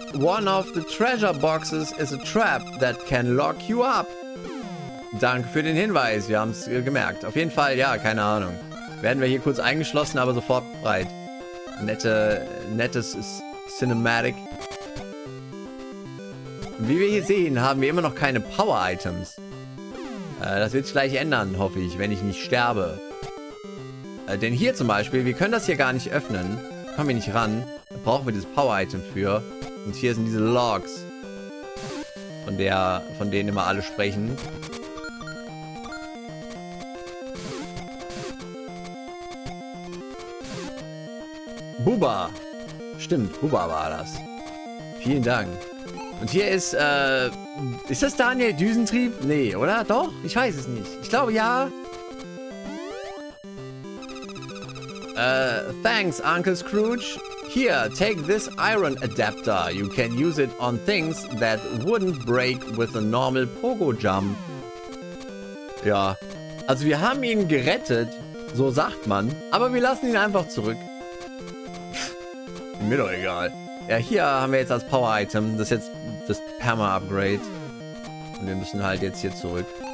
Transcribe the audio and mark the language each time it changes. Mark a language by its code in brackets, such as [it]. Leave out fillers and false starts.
[en] One of the treasure boxes is a trap that can lock you up. [de] Danke für den Hinweis. Wir haben es gemerkt. Auf jeden Fall, ja, keine Ahnung. Werden wir hier kurz eingeschlossen, aber sofort befreit. Nettes Cinematic. Wie wir hier sehen, haben wir immer noch keine Power-Items. Das wird sich gleich ändern, hoffe ich, wenn ich nicht sterbe. Denn hier zum Beispiel, wir können das hier gar nicht öffnen. Kommen wir nicht ran. Da brauchen wir dieses Power-Item für. Und hier sind diese Logs. Von denen immer alle sprechen. Buba. Stimmt, Buba war das. Vielen Dank. Und hier ist, ist das Daniel Düsentrieb? Nee, oder? Doch? Ich weiß es nicht. Ich glaube, ja. [en] Thanks, Uncle Scrooge. Here, take this iron adapter. You can use it on things that wouldn't break with a normal pogo jump. [de] Ja, also wir haben ihn gerettet, so sagt man. Aber wir lassen ihn einfach zurück. Mir doch egal. Ja, hier haben wir jetzt als Power-Item. Das ist jetzt das Perma-Upgrade. Und wir müssen halt jetzt hier zurück.